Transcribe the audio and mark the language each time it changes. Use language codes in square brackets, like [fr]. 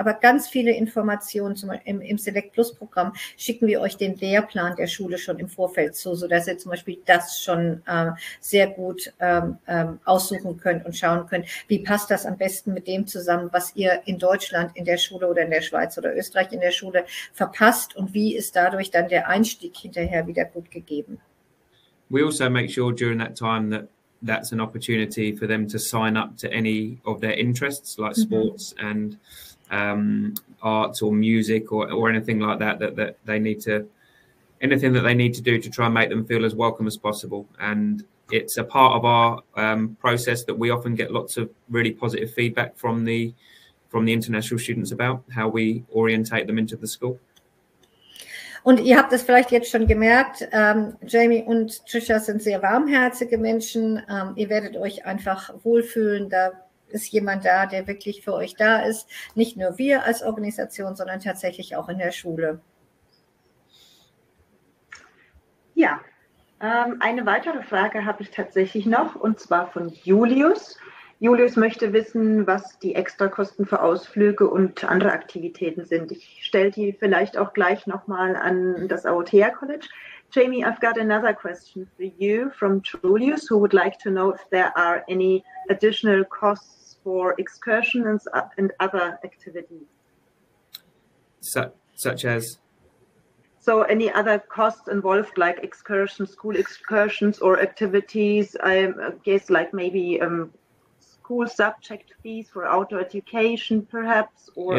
[de] Aber ganz viele Informationen, zum Beispiel im Select Plus Programm, schicken wir euch den Lehrplan der Schule schon im Vorfeld zu, sodass ihr zum Beispiel das schon sehr gut aussuchen könnt und schauen könnt, wie passt das am besten mit dem zusammen, was ihr in Deutschland in der Schule oder in der Schweiz oder Österreich in der Schule verpasst und wie ist dadurch dann der Einstieg hinterher wieder gut gegeben. [en] We also make sure during that time that's an opportunity for them to sign up to any of their interests, like sports and arts or music or anything like that, anything that they need to do to try and make them feel as welcome as possible. And it's a part of our process that we often get lots of really positive feedback from the international students about how we orientate them into the school. [de] Und ihr habt es vielleicht jetzt schon gemerkt, Jamie und Trisha sind sehr warmherzige Menschen. Ihr werdet euch einfach wohlfühlen. Da ist jemand da, der wirklich für euch da ist. Nicht nur wir als Organisation, sondern tatsächlich auch in der Schule. Ja, eine weitere Frage habe ich tatsächlich noch, und zwar von Julius. Julius möchte wissen, was die Extrakosten für Ausflüge und andere Aktivitäten sind. Ich stelle die vielleicht auch gleich nochmal an das Aotea College. [en] Jamie, I've got another question for you from Julius, who would like to know if there are any additional costs for excursions and other activities. Such as? So any other costs involved, like excursions, school excursions or activities, I guess like maybe school subject fees for outdoor education, perhaps, or